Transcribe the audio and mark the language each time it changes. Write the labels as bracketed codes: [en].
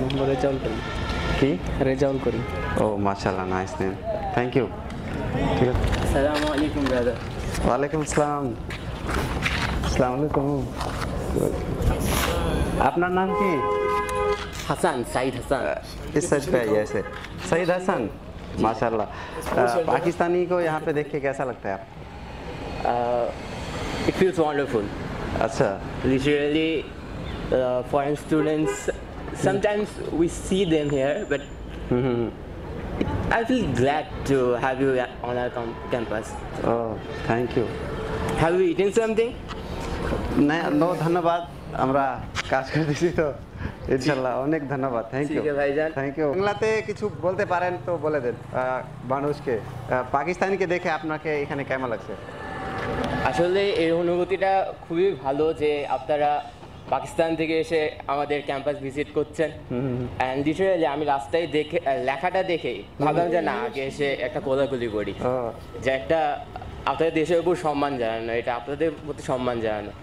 [bn] রেজাউল করিম কি রেজাউল করিম [en] ও মাশাআল্লাহ nice name thank you [bn] ঠিক আছে আসসালামু আলাইকুম ব্রাদার ওয়ালাইকুম আসসালাম আসসালামু আলাইকুম আপনার নাম কি হাসান সাইদ হাসান [hi] इस सच पे आइए ऐसे सईद हसन माशाल्लाह पाकिस्तानी को यहाँ पे देख के कैसा लगता है आपको [en] it feels wonderful [hi] अच्छा [en] literally foreign students sometimes we see them here but I feel glad to have you on our campus oh thank you have you eaten something [hi] नहीं नो धन्यवाद हमरा काज कर दीजिए तो [bn] ইনশাআল্লাহ অনেক ধন্যবাদ [en] thank you thank you [bn] বাংলাতে কিছু বলতে পারেন তো বলে দেন মানুষকে পাকিস্তানিকে দেখে আপনাকে এখানে কেমন লাগছে আসলে এই অনুভূতিটা খুবই ভালো যে আপনারা পাকিস্তান থেকে এসে আমাদের ক্যাম্পাস ভিজিট করছেন অ্যান্ড লিটারালি আমি রাস্তায় দেখে লেখাটা দেখেই ভাবলাম যে না আগে এসে একটা কোলাকুলি করি যে একটা আপনাদের দেশের উপর সম্মান জানানো এটা আপনাদের প্রতি সম্মান জানানো